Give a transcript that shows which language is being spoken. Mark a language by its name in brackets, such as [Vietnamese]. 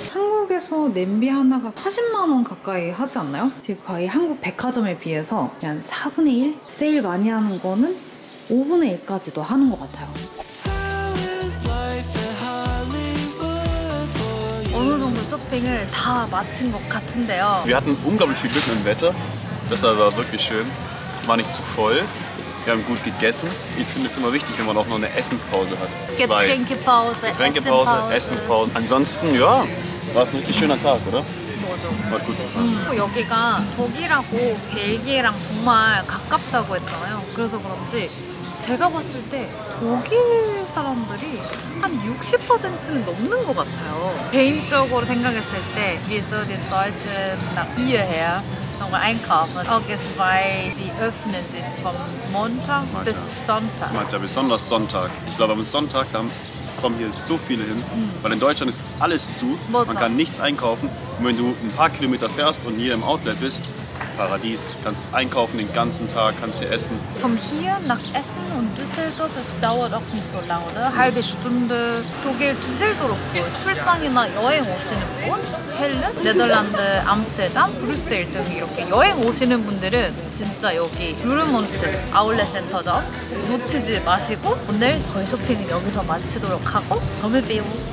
[Korean] 한국에서 냄비 하나가 40만원 가까이 하지 않나요? 지금 거의 한국 백화점에 비해서 그냥 4분의 1? 세일 많이 하는 거는 5분의 1까지도 하는 것 같아요. 어느 정도 쇼핑을 다 마친 것 같은데요. [German] Wir hatten unglaublich viel Glück mit dem Wetter. Das war wirklich schön. War nicht zu voll. Wir haben gut gegessen. Ich finde es immer wichtig, wenn man auch noch eine Essenspause hat. Getränkepause, Essenspause. Ansonsten, ja, war es ein richtig schöner Tag, oder? [Korean] 맞아. 아, 굿. 여기가 독일하고 벨기에랑 정말 가깝다고 했잖아요. 그래서 그런지 제가 봤을 때 독일 사람들이 한 60%는 넘는 것 같아요. 개인적으로 생각했을 때 [German] Wir sollten Deutschen nach hier her nochmal einkaufen. Auch jetzt, weil die öffnen sich vom Montag bis Sonntag. [Korean] 맞아, [German] besonders sonntags. Ich glaube, am Sonntag haben kommen hier so viele hin, weil in Deutschland ist alles zu, man kann nichts einkaufen und wenn du ein paar Kilometer fährst und hier im Outlet bist, Paradies, kannst einkaufen den ganzen Tag, kannst hier essen. Vom hier nach Essen und Düsseldorf, das dauert auch nicht so lange, oder? Halbe Stunde. [Korean] 독일 Düsseldorf도 출장이나 여행 오시는 분, 헬렌, 네덜란드, 암스테르담, 브뤼셀 등 이렇게 여행 오시는 분들은 진짜 여기 루르몬츠 아울렛 센터점 놓치지 마시고 오늘 저희 쇼핑은 여기서 마치도록 하고 다음에 봬요.